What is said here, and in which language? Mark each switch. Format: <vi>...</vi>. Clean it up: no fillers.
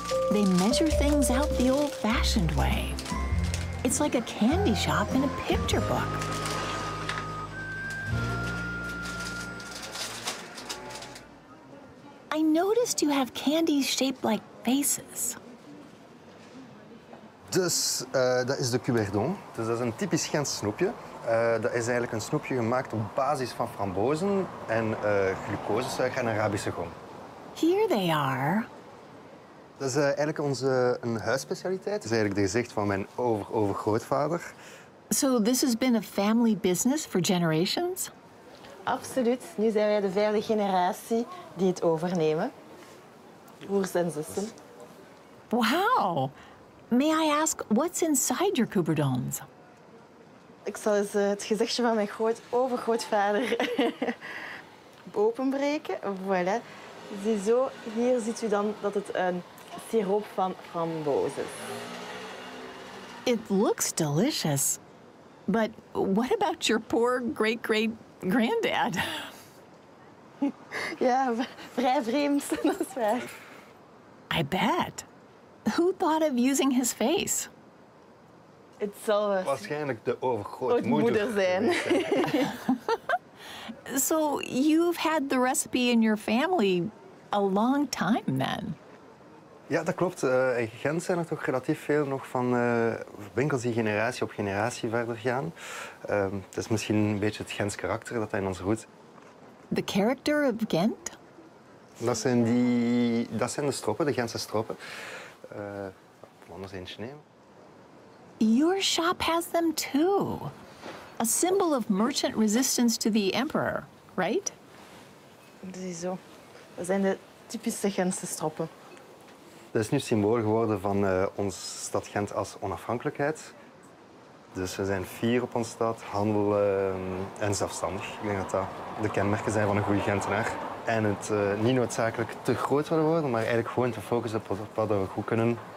<en>They measure things out the old-fashioned way. It's like a candy shop in a picture book. I noticed you have candies shaped like faces.</en> <nl>Dus dat is de cuberdon. Dus dat is een typisch Gentse snoepje. Dat is eigenlijk een snoepje gemaakt op basis van frambozen en glucosesuiker en Arabische gom.</nl> <en>Here they are.</en> <nl>Dat is eigenlijk onze een huisspecialiteit. Dat is eigenlijk het gezicht van mijn overgrootvader.</nl> <en>So this has been a family business for generations?</en> <nl>Absoluut. Nu zijn wij de vijfde generatie die het overnemen. Broers en zussen.</nl> <en>Wow. May I ask what's inside your cuberdons?</en> <nl>Ik zal eens het gezichtje van mijn overgrootvader openbreken. Voilà. Ziezo, hier ziet u dan dat het een siroop van frambozen is.</nl> <en>It looks delicious. But what about your poor great-great-granddad?</en> <nl>Ja, vrij vreemd, dat is waar.</nl> <en>I bet. Who thought of using his face?</en> <nl>Het zal waarschijnlijk de overgrootmoeder zijn.</nl> <en>So you've had the recipe in your family a long time then?</en> <nl>Ja, dat klopt. In Gent zijn er toch relatief veel nog van winkels die generatie op generatie verder gaan. Het is misschien een beetje het Gents karakter dat hij in ons roet.</nl> <en>The character of Ghent?</en> <nl>Dat zijn de stroppen, de Gentse stroppen. Anders eentje nemen.</nl> <en>Your shop has them too. A symbol of merchant resistance to the emperor, right?</en> <nl>Ziezo. Dat zijn de typische Gentse stroppen. Dat is nu symbool geworden van onze stad Gent als onafhankelijkheid. Dus we zijn fier op onze stad, handel en zelfstandig. Ik denk dat dat de kenmerken zijn van een goede Gentenaar. En het niet noodzakelijk te groot willen worden, maar eigenlijk gewoon te focussen op wat we goed kunnen.</nl>